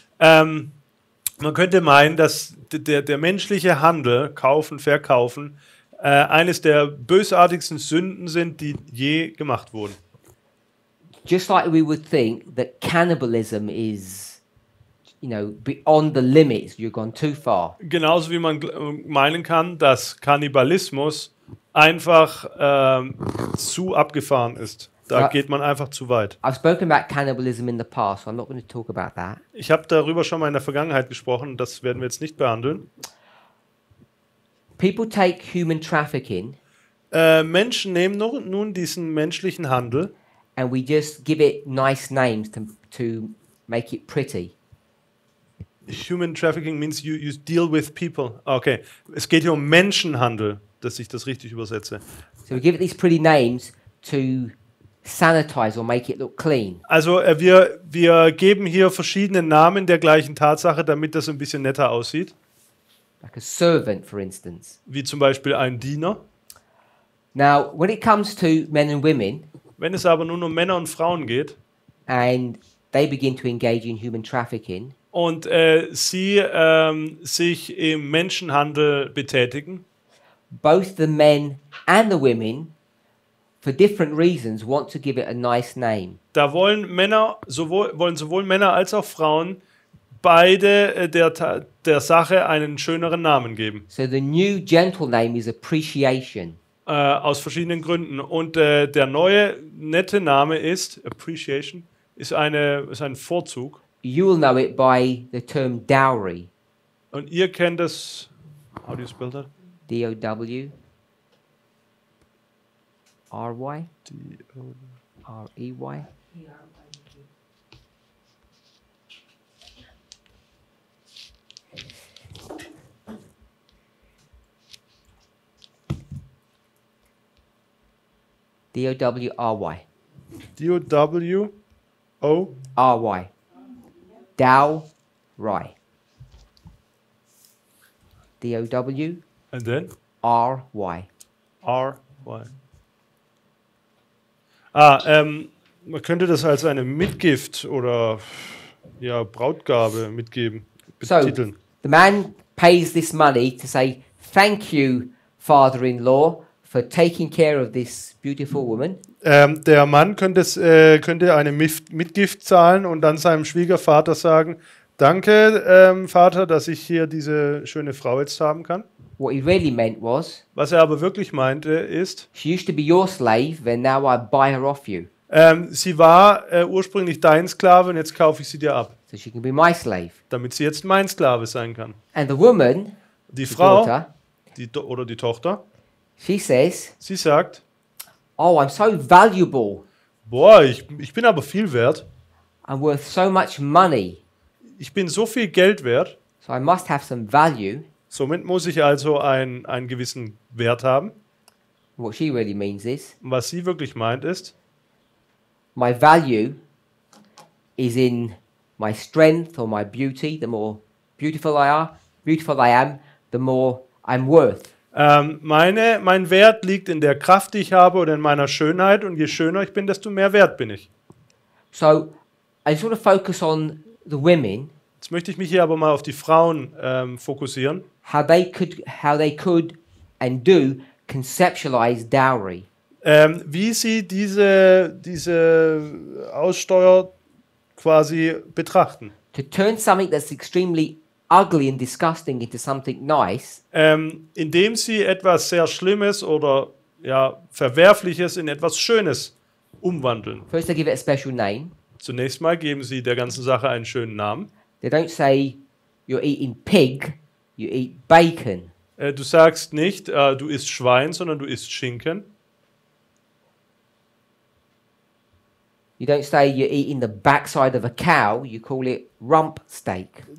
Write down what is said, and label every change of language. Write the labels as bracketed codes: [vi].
[de] Man könnte meinen, dass der menschliche Handel, kaufen, verkaufen, eines der bösartigsten Sünden sind, die je gemacht wurden. [en] Just like we would think that cannibalism is, you know, beyond the limits, you've gone too far. [de] Genauso wie man meinen kann, dass Kannibalismus einfach zu abgefahren ist. Da geht man einfach zu weit. [en] I've spoken about cannibalism in the past, so I'm not going to talk about that. [de] Ich habe darüber schon mal in der Vergangenheit gesprochen, das werden wir jetzt nicht behandeln. [en] People take human trafficking. [de] Menschen nehmen nun diesen menschlichen Handel. [en] And we just give it nice names to make it pretty. Human trafficking means you deal with people. [de] Okay, es geht hier um Menschenhandel, dass ich das richtig übersetze. [en] So we give it these pretty names to sanitize or make it look clean. [de] Also wir geben hier verschiedene Namen der gleichen Tatsache, damit das ein bisschen netter aussieht. [en] Like a servant, for instance. [de] Wie zum Beispiel ein Diener. [en] Now, when it comes to men and women. [de] Wenn es aber nur um Männer und Frauen geht [en] and they begin to engage in human trafficking, [de] und sie sich im Menschenhandel betätigen, [en] both the men and the women, for different reasons, want to give it a nice name. [de] Da wollen Männer sowohl Männer als auch Frauen beide der Sache einen schöneren Namen geben. [en] So the new gentle name is appreciation. [de] Aus verschiedenen Gründen. Und der neue, nette Name ist Appreciation, ist ein Vorzug. [en] You will know it by the term dowry. [de] Und ihr kennt das, [en] how do you spell that? D-O-W-R-Y? R-E-Y? D-O-W-R-Y. D-O-W-O? R-Y. Dow Rai. D-O-W. And then? R-Y. R-Y. [de] Ah, man könnte das als eine Mitgift oder ja, Brautgabe mitgeben, betiteln. [en] So, the man pays this money to say, thank you, father-in-law, for taking care of this beautiful woman. [de] Der Mann könnte, könnte eine Mitgift zahlen und dann seinem Schwiegervater sagen, danke, Vater, dass ich hier diese schöne Frau jetzt haben kann. [en] What he really meant was, [de] was er aber wirklich meinte ist, [en] she used to be your slave, and now I buy her off you. [de] Sie war ursprünglich dein Sklave und jetzt kaufe ich sie dir ab. [en] So she can be my slave. [de] Damit sie jetzt mein Sklave sein kann. [en] And the woman, [de] die Frau, daughter, die oder die Tochter, [en] she says, [de] sie sagt, [en] oh, I'm so valuable. [de] Boah, ich bin aber viel wert. [en] I'm worth so much money. [de] Ich bin so viel Geld wert. [en] So I must have some value. [de] Somit muss ich also einen gewissen Wert haben. [en] What she really means is, [de] was sie wirklich meint ist, [en] my value is in my strength or my beauty. The more beautiful I are, beautiful I am, the more I'm worth. [de] Mein Wert liegt in der Kraft, die ich habe, oder in meiner Schönheit. Und je schöner ich bin, desto mehr wert bin ich. [en] So, I just want to focus on the women. [de] Jetzt möchte ich mich hier aber mal auf die Frauen fokussieren. [en] How they could and do conceptualize dowry. [de] Wie sie diese Aussteuer quasi betrachten. [en] To turn something that's extremely ugly and disgusting into something nice. [de] Indem sie etwas sehr Schlimmes oder ja Verwerfliches in etwas Schönes umwandeln. [en] First they give it a special name. [de] Zunächst mal geben sie der ganzen Sache einen schönen Namen. [en] They don't say you're eating pig, you eat bacon. [de] Du sagst nicht, du isst Schwein, sondern du isst Schinken. [en] You don't say you're eating the backside of a cow, you call it rump steak.